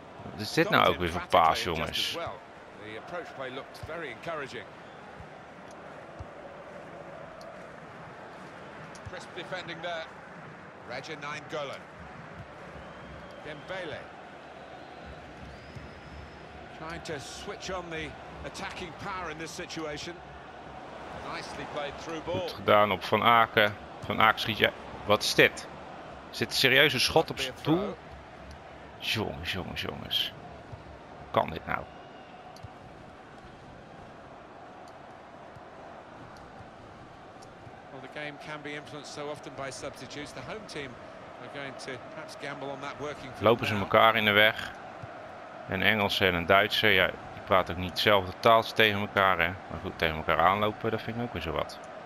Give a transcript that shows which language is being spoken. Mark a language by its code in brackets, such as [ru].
[nl] Wat is dit nou ook weer voor paas, jongens? [en] The approach play looked very encouraging. Crisp defending there. Regen 9 Golan. Dembele. Trying to switch on the attacking power in this situation. Nicely played through ball. [nl] Goed gedaan op Van Aken. Van Aken schiet je. Wat is dit? Zit een serieuze schot op zijn doel? Jongens. Hoe kan dit nou? [en] Game can be influenced so often by substitutes. The home team are going to perhaps gamble on that working. [nl] Lopen ze elkaar in de weg? Een Engelse en een Duitse, ja, die praten ook niet dezelfde taal tegen elkaar, hè? Maar goed, tegen elkaar aanlopen, dat vind ik ook weer zo wat.